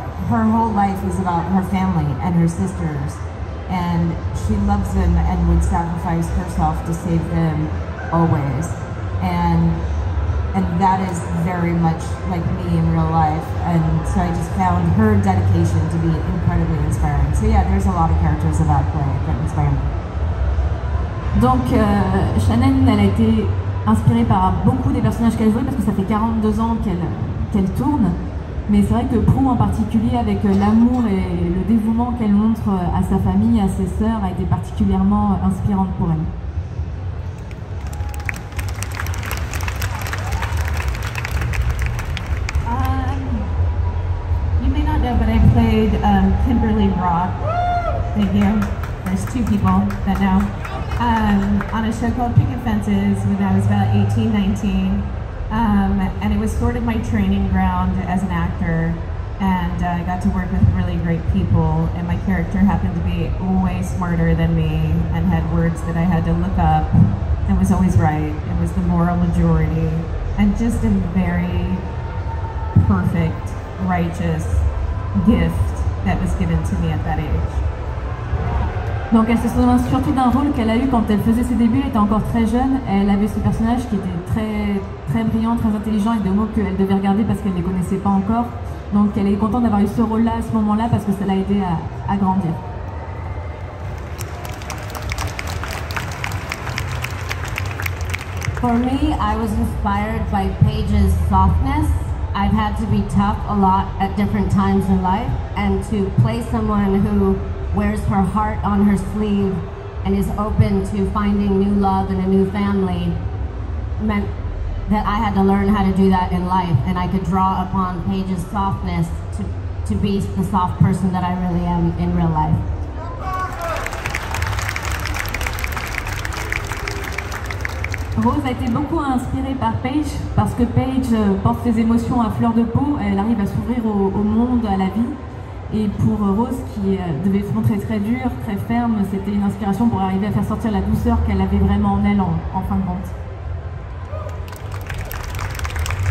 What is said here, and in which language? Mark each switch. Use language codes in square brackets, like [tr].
[en] Her whole life is about her family and her sisters. And she loves them and would sacrifice herself to save them always. And that is very much like me in real life. And so I just found her dedication to be incredibly inspiring. So yeah, there's a lot of characters about that play that inspire me. [fr] Donc, Shannon, elle a été inspirée par beaucoup des personnages qu'elle jouait parce que ça fait 42 ans qu'elle tourne. Mais c'est vrai que Prue en particulier, avec l'amour et le dévouement qu'elle montre à sa famille, à ses sœurs, a été particulièrement inspirante pour elle. [en] You may not know, but I played Kimberly Rock. Thank you. There's two people that know. On a show called Picket Fences when I was about 18, 19. And it was sort of my training ground as an actor, and I got to work with really great people, and my character happened to be way smarter than me and had words that I had to look up and was always right. It was the moral majority and just a very perfect, righteous gift that was given to me at that age. [fr] Donc elle se souvient surtout d'un rôle qu'elle a eu quand elle faisait ses débuts, elle était encore très jeune, elle avait ce personnage qui était très, très brillant, très intelligent, avec des mots qu'elle devait regarder parce qu'elle ne les connaissait pas encore. Donc elle est contente d'avoir eu ce rôle-là à ce moment-là parce que ça l'a aidé à grandir. [en] For me, I was inspired by Paige's softness. I've had to be tough a lot at different times in life, and to play someone who wears her heart on her sleeve and is open to finding new love and a new family meant that I had to learn how to do that in life, and I could draw upon Paige's softness to be the soft person that I really am in real life. [fr] Rose a été beaucoup inspirée par Paige parce que Paige porte ses émotions à fleur de peau, elle arrive à s'ouvrir au monde, à la vie. Et pour Rose, qui devait se montrer très dure, très ferme, c'était une inspiration pour arriver à faire sortir la douceur qu'elle avait vraiment en elle en fin de compte.